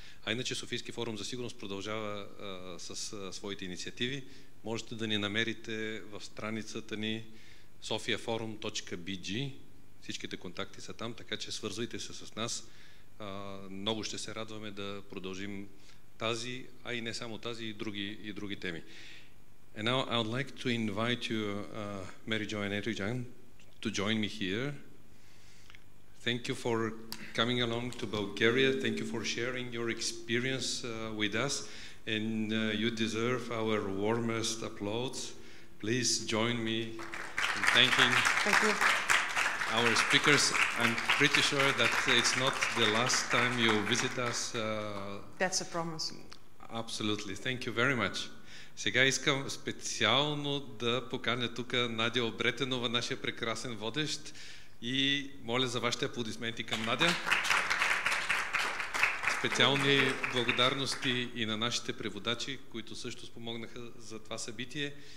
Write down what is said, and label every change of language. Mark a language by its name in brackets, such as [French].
[Bulgarian] А иначе Софийски форум за сигурност продължава с своите инициативи. Можете да ни намерите в страницата ни sofiaforum.bg. Всичките контакти са там, така че свързвайте се с нас. Много ще се радваме да продължим тази, а и не само тази, и други теми. [English] And now I would like to invite you, Mary Jo and Adrian, to join me here. Thank you for coming along to Bulgaria. Thank you for sharing your experience with us. And you deserve our warmest applause. Please join me in thanking our speakers. I'm pretty sure that it's not the last time you visit us. That's a promise. Absolutely. Thank you very much. [Bulgarian] Сега искам специално да поканя тук Надя Обретенова, нашия прекрасен водещ, и моля за вашите аплодисменти към Надя. Специални благодарности и на нашите преводачи, които също спомогнаха за това събитие.